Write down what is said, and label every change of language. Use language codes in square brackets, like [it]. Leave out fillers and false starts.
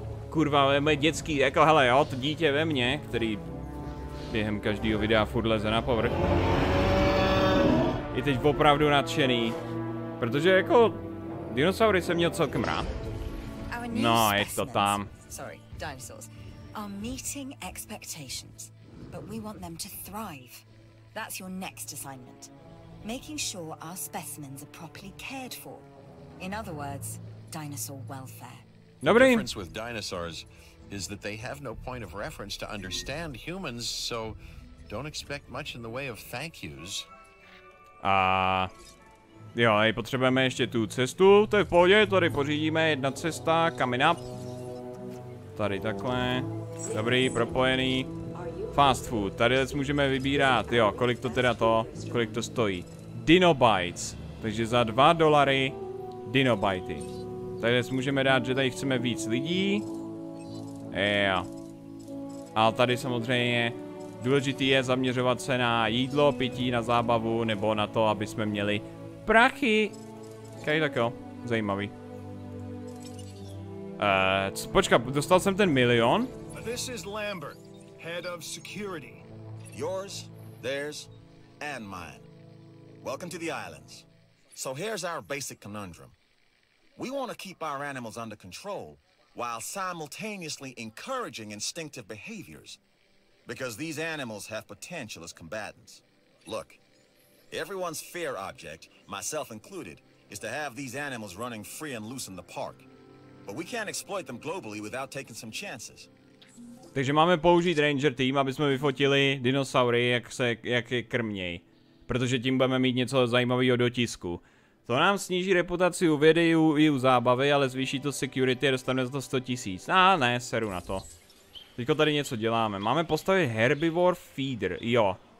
[cs] Kurva, moje dětský. Jako hele, jo, to dítě ve mně, který během každého videa furt leze na povrch. Je teď opravdu nadšený, protože jako dinosaury jsem měl celkem rád. No, je to tam. [en] Sorry, dinosaurs. Our meeting expectations, but we want them to thrive. That's your next assignment. Making sure our specimens are properly cared for. In other words, dinosaur welfare. [cs] Dobrý. [en] The difference with dinosaurs is that they have no point of reference to understand humans, so don't expect much in the way of thank yous. [cs] A jo, i potřebujeme ještě tu cestu, to je v pohodě, tady pořídíme jedna cesta, [en] coming up. [cs] Tady takhle, dobrý, propojený. Fast food, tady můžeme vybírat, jo, kolik to teda to, kolik to stojí. Dino Bites, takže za $2 Dino Bitey. Tady můžeme dát, že tady chceme víc lidí. Jo. A tady samozřejmě... Důležitý je zaměřovat se na jídlo, pití, na zábavu, nebo na to, aby jsme měli prachy. OK, tak jo, zajímavý. Počkat, dostal jsem ten milion? [en] This is Lambert, head of security. Yours, theirs, and mine. Welcome to the islands. So here's our basic conundrum. We want to keep our animals under control, while simultaneously encouraging instinctive behaviors. Because these animals have potential as combatants. Look, everyone's fear object, myself included, is to have these animals running free and loose in the park. But we can't exploit them globally without taking some chances. [cs] Takže máme použít Ranger Team, aby jsme vyfotili dinosaury, jak je krmějí. Protože tím budeme mít něco zajímavého do tisku. To nám sníží reputaci u vědy i u zábavy, ale zvýší to security a dostane za to 100 000. A ne, seru na to. Teďko tady něco děláme. Máme postavit herbivore feeder, jo.